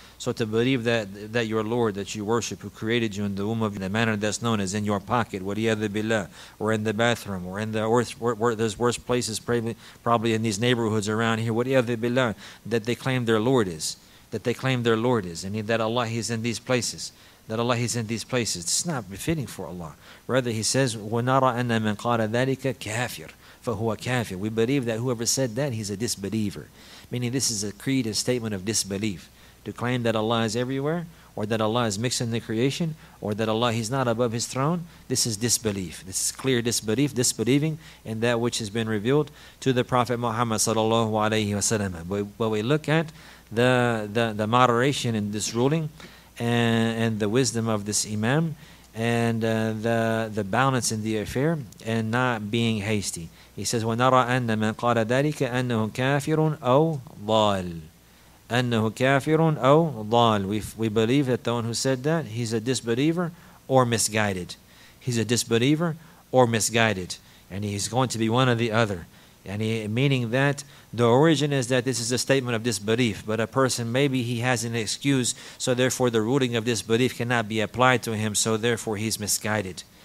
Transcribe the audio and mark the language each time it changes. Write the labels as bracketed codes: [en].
[en] So to believe that your Lord that you worship, who created you in the womb of the manner that's known as in your pocket, waliyadhu billah, or in the bathroom, or in the earth, where there's worse places probably in these neighborhoods around here, waliyadhu billah, that they claim their Lord is, and that Allah is in these places. That Allah is in these places. It's not befitting for Allah. Rather, he says, [ar] وَنَرَى أَنَّ مَنْ قَالَ ذَلِكَ كَافِرٌ فَهُوَ كَافِرٌ. [en] We believe that whoever said that, he's a disbeliever. Meaning this is a creed and statement of disbelief. To claim that Allah is everywhere, or that Allah is mixed in the creation, or that Allah is not above his throne, this is disbelief. This is clear disbelief, disbelieving in that which has been revealed to the Prophet Muhammad sallallahu alayhi wa sallam. But we look at the moderation in this ruling, and the wisdom of this imam, and the balance in the affair, and not being hasty. He says, [ar] وَنَرَى أَنَّ مَنْ قَالَ ذَلِكَ أَنَّهُ كَافِرٌ أَوْ ضَالٌ أَنَّهُ كَافِرٌ أَوْ ضَالٌ. [en] We believe that the one who said that, he's a disbeliever or misguided. He's a disbeliever or misguided. And he's going to be one or the other. And meaning that the origin is that this is a statement of disbelief, but a person, maybe he has an excuse, so therefore the ruling of disbelief cannot be applied to him, so therefore he's misguided.